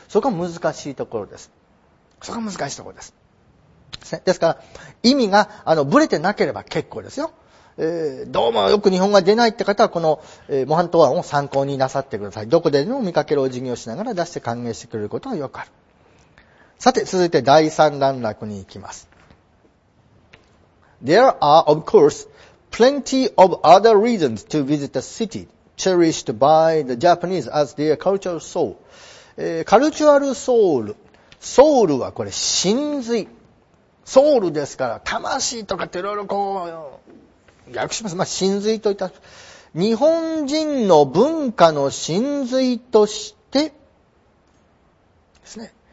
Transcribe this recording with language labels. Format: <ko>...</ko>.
<ja>そこが難しいところです。ですから、意味がブレてなければ結構ですよ。どうもよく日本語が出ないって方はこの、模範答案を参考になさってください。どこででも見かけるお辞儀をしながら出して歓迎してくれることはよくある。さて、続いて第三段落に行きます。</ja> <en>There are, of course, plenty of other reasons to visit the city, cherished by the Japanese as their cultural soul.</en> <ja>カルチュアルソウル。ソウルはこれ、神髄。ソウルですから、魂とかっていろいろこう、訳します。まあ、神髄といった。日本人の文化の神髄として、ですね。</ja>